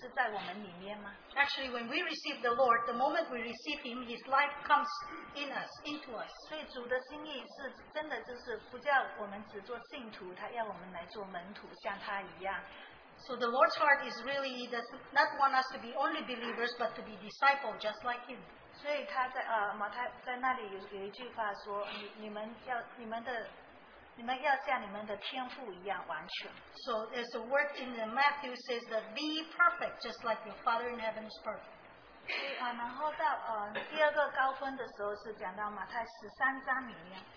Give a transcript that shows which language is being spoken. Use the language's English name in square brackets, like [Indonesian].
[English] Actually, when we receive the Lord, the moment we receive Him, His life comes in us, into us. [Chinese] 所以主的心意是真的就是不叫我们只做信徒, 祂要我们来做门徒, 像祂一样。 [English] So the Lord's heart is really does not want us to be only believers, but to be disciples just like Him. [Chinese] 所以祂在, 马太在那里有一句话说, 你们要, 你们要像你们的天父一样完全。 [English] So as the word in the Matthew says that be perfect just like your Father in heaven is perfect. [Chinese] 然后到 第二个高峰的时候是讲到马太十三章里面。